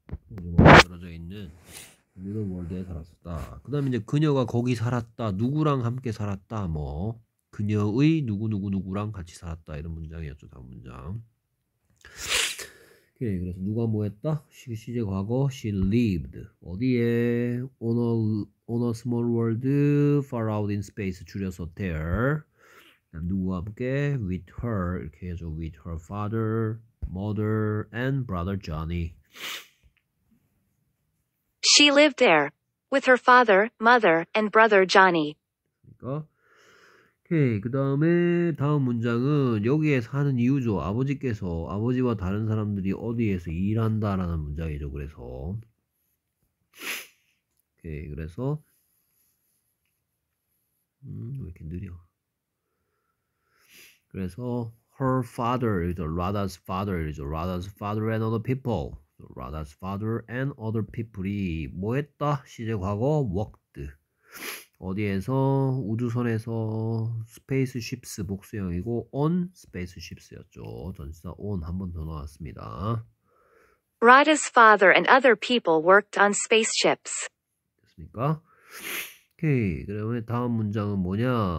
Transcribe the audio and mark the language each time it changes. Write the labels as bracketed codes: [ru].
[ko] 우주 멀리 떨어져 있는 [en] little world [ko] 에 살았다. 그다음에 이제 그녀가 거기 살았다. 누구랑 함께 살았다. 뭐 그녀의 누구누구누구랑 같이 살았다. 이런 문장이었죠. 다음 문장. 오케이, 그래서 누가 뭐 했다? 시제 과거, [en] she lived [ko] 어디에? [en] On a small world, far out in space, [ko] 줄여서 [en] there. [ko] 누구와 함께? [en] With her, [ko] 이렇게 해서 [en] with her father, mother, and brother Johnny. She lived there with her father, mother, and brother Johnny. [ko] 그러니까. 오케이, 그 다음에 다음 문장은 여기에 사는 이유죠. 아버지께서 아버지와 다른 사람들이 어디에서 일한다라는 문장이죠. 그래서 오케이, 그래서 왜 이렇게 느려? 그래서 [en] her father is Radha's father. Radha's father and other people. Radha's father and other people이 [ko] 뭐 했다? 시제 과거 [en] worked. [ko] 어디에서? 우주선에서 스페이스쉽스 복수형이고 on 스페이스쉽스였죠. 전치사 on 한번더 나왔습니다. [en] Radha's father and other people worked on spaceships. [ko] 됐습니까? 오케이, 그러면 다음 문장은 뭐냐?